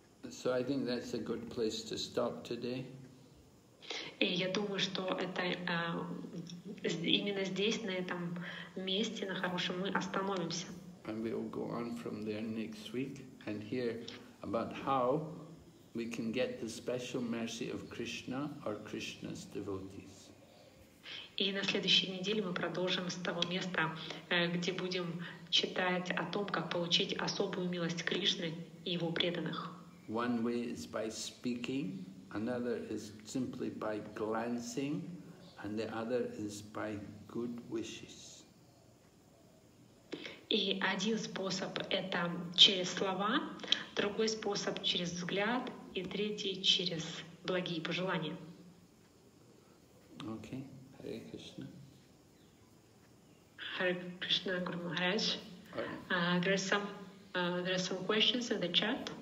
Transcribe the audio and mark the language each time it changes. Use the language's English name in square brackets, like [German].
[English] So I think that's a good place to stop today. [Russian] И я думаю, что это именно здесь, на этом месте, на хорошем, мы остановимся. [English] And we will go on from there next week and hear about how we can get the special mercy of Krishna or Krishna's devotees. [Russian] И на следующей неделе мы продолжим с того места, где будем читать о том, как получить особую милость Кришны и его преданных. [English] One way is by speaking. Another is simply by glancing, and the other is by good wishes. [Russian] И один способ это через слова, другой способ через взгляд, и третий через благие пожелания. [English] Okay, Hare Krishna. Hare Krishna, Guru Maharaj. There are some questions in the chat.